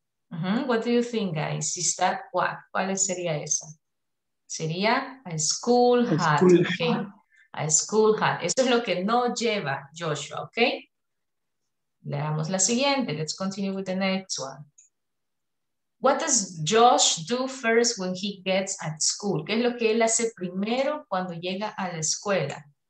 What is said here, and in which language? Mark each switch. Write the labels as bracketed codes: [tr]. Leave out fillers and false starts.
[en] Mm-hmm. What do you think, guys? Is that what? [es] ¿Cuál sería esa? Sería [en] a school hat. Okay. A school hat. [es] Eso es lo que no lleva Joshua, okay? Leamos la siguiente. [en] Let's continue with the next one. What does Josh do first when he gets at school? [es] ¿Qué es lo que él hace primero cuando llega a la escuela?